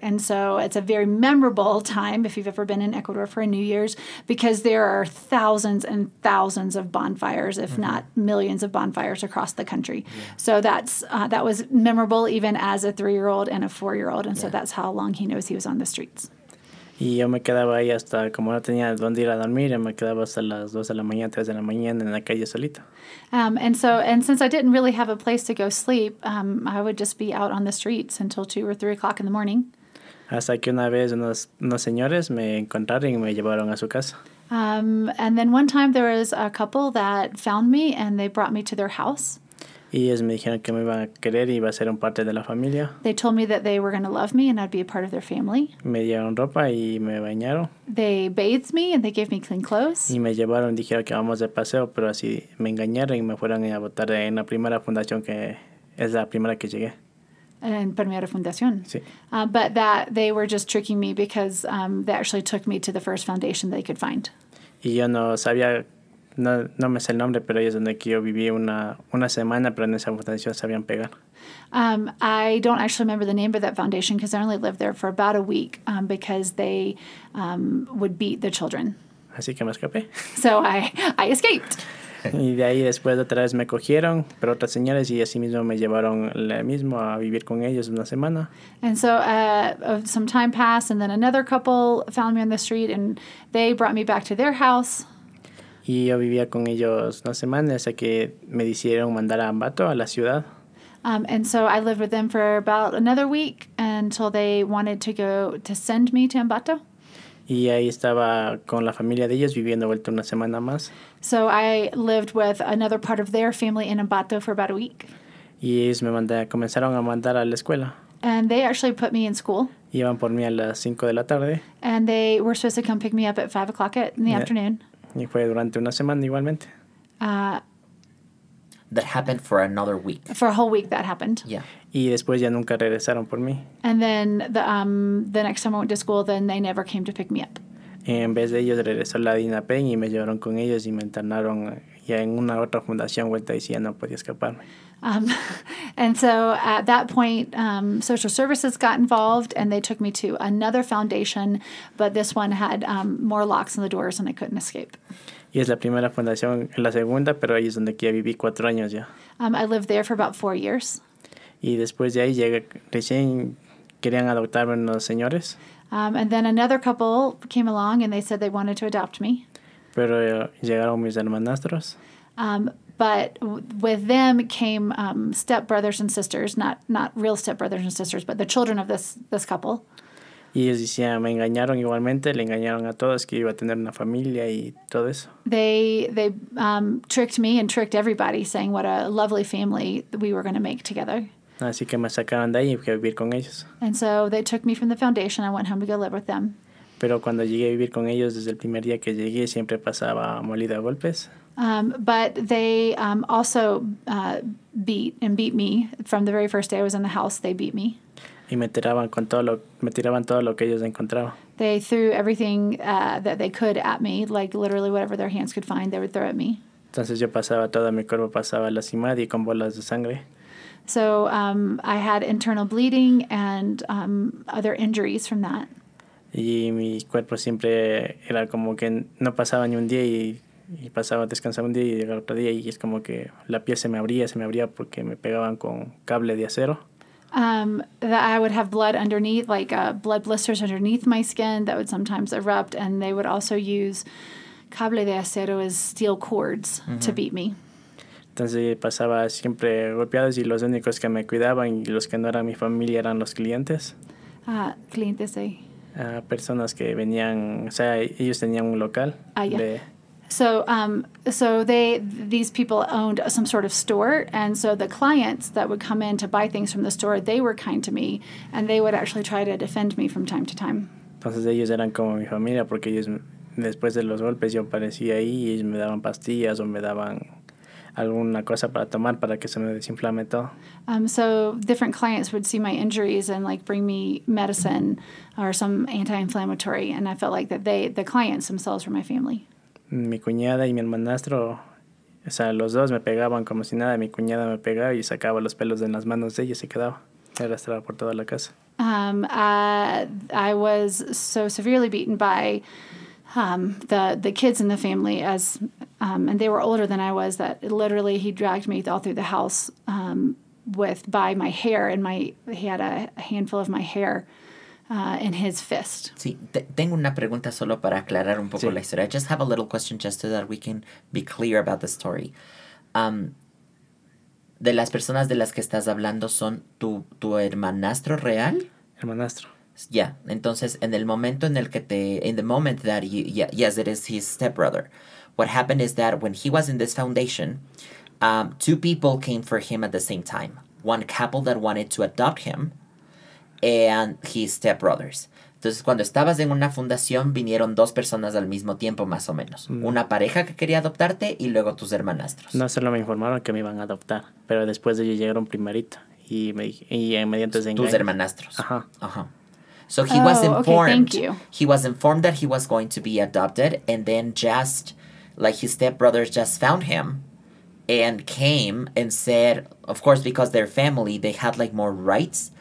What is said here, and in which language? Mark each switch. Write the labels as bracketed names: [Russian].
[English] And so it's a very memorable time, if you've ever been in Ecuador for a New Year's, because there are thousands and thousands of bonfires, if not millions of bonfires across the country. Yeah. So that was memorable even as a 3-year-old and a 4-year-old. And so that's how long he knows he was on the streets. [Spanish] Y yo me quedaba ahí hasta, como no tenía dónde ir a dormir, me quedaba hasta las 2 de la mañana, 3 de la mañana en la calle solito. [English] And since I didn't really have a place to go sleep, I would just be out on the streets until 2 or 3 o'clock in the morning. [Spanish] Hasta que una vez unos señores me encontraron y me llevaron a su casa. [English] And then one time there was a couple that found me and they brought me to their house. [Spanish] Y ellos me dijeron que me iban a querer y iba a ser un parte de la familia. [English] They told me that they were going to love me and I'd be a part of their family. [Spanish] Me dieron ropa y me bañaron. [English] They bathed me and they gave me clean clothes. [Spanish] Y me llevaron y dijeron que vamos de paseo, pero así me engañaron y me fueron a votar en la primera fundación que es la primera que llegué. En Primera Fundación. Sí. [English] But that they were just tricking me because they actually took me to the first foundation they could find. [Spanish] Y yo no sabía... No me sé el nombre, pero ahí es donde yo viví una semana, pero en esa fundación sabían pegar. [English] I don't actually remember the name of that foundation because I only lived there for about a week because they would beat the children. [Spanish] Así que me escapé. [English] So I escaped. [Spanish] Y de ahí después otra vez me cogieron, pero otras señores, y así mismo me llevaron la misma a vivir con ellos una semana. [English] And so some time passed and then another couple found me on the street and they brought me back to their house. [Spanish] Y yo vivía con ellos una semana hasta que me decidieron mandar a Ambato, a la ciudad. [English] And so I lived with them for about another week until they wanted to go to send me to Ambato. [Spanish] Y ahí estaba con la familia de ellos viviendo vuelta una semana más. [English] So I lived with another part of their family in Ambato for about a week. [Spanish] Y ellos comenzaron a mandar a la escuela. [English] And they actually put me in school. [Spanish] Iban por mí a las 5 de la tarde. [English] And they were supposed to come pick me up at 5 o'clock in the afternoon. [Spanish] Y fue durante una semana igualmente. [English] That happened for another week. For a whole week that happened. Yeah. [Spanish] Y después ya nunca regresaron por mí. [English] And then the next time I went to school, then they never came to pick me up. [Spanish] En vez de ellos regresó la Dina Pen y me llevaron con ellos y me internaron ya en una otra fundación vuelta y ya no podía escaparme. [English] And so at that point, social services got involved and they took me to another foundation, but this one had more locks on the doors and I couldn't escape. [Spanish] Y es la primera fundación, la segunda, pero ahí es donde ya viví 4 años ya. [English] I lived there for about 4 years. [Spanish] Y después de ahí llegué, recién querían adoptarme unos señores. [English] And then another couple came along and they said they wanted to adopt me. [Spanish] Pero llegaron mis hermanastros. [English] But with them came stepbrothers and sisters, not real stepbrothers and sisters, but the children of this couple. [Spanish] Y ellos decían, me engañaron igualmente, le engañaron a todos que iba a tener una familia y todo eso. [English] They tricked me and tricked everybody, saying what a lovely family we were going to make together. [Spanish] Así que me sacaron de ahí y fui a vivir con ellos. [English] And so they took me from the foundation. I went home to go live with them. [Spanish] Pero cuando llegué a vivir con ellos, desde el primer día que llegué, siempre pasaba molida a golpes. [English] But they also beat me from the very first day I was in the house. They beat me. [Spanish] Y me tiraban todo lo que ellos encontraban. [English] They threw everything that they could at me, like literally whatever their hands could find, they would throw at me. [Spanish] Entonces yo pasaba todo mi cuerpo pasaba lastimado y con bolas de sangre. [English] So I had internal bleeding and other injuries from that. [Spanish] Y mi cuerpo siempre era como que no pasaba ni un día y pasaba descansaba un día y llegaba otro día y es como que la piel se me abría porque me pegaban con cable de acero. [English] That I would have blood underneath, like blood blisters underneath my skin that would sometimes erupt, and they would also use [Spanish] cable de acero [English] as steel cords to beat me. [Spanish] Entonces pasaba siempre golpeados y los únicos que me cuidaban y los que no eran mi familia eran los clientes. Clientes, sí. Personas que venían, o sea, ellos tenían un local. [English] So these people owned some sort of store, and so the clients that would come in to buy things from the store, they were kind to me, and they would actually try to defend me from time to time. [Spanish] Entonces ellos eran como mi familia, porque ellos, después de los golpes, yo aparecía ahí, y ellos me daban pastillas o me daban alguna cosa para tomar para que se me desinflame todo. [English] So different clients would see my injuries and, like, bring me medicine or some anti-inflammatory, and I felt like that the clients themselves were my family. [Spanish] Mi cuñada y mi hermanastro, o sea, los dos me pegaban como si nada. Mi cuñada me pegaba y sacaba los pelos de las manos de ella y se quedaba. Me arrastraba por toda la casa. [English] I was so severely beaten by the kids in the family and they were older than I was that literally he dragged me all through the house by my hair and he had a handful of my hair. In his fist. [Spanish] Sí, tengo una pregunta solo para aclarar un poco la historia. [English] I just have a little question just so that we can be clear about the story. [Spanish] ¿De las personas de las que estás hablando son tu hermanastro real? Hermanastro. Yeah, entonces en el momento en el que te... [English] In the moment that you... Yes, it is his stepbrother. What happened is that when he was in this foundation, two people came for him at the same time. One couple that wanted to adopt him, and his stepbrothers. [Spanish] Entonces, cuando estabas en una fundación, vinieron dos personas al mismo tiempo, más o menos. Una pareja que quería adoptarte y luego tus hermanastros. No solo me informaron que me iban a adoptar, pero después de ellos llegaron primerito y mediante ese engaño. Tus hermanastros. Ajá. [English] So he was informed. Okay, thank you. He was informed that he was going to be adopted, and then just like his stepbrothers just found him and came and said, of course, because they're family, they had like more rights.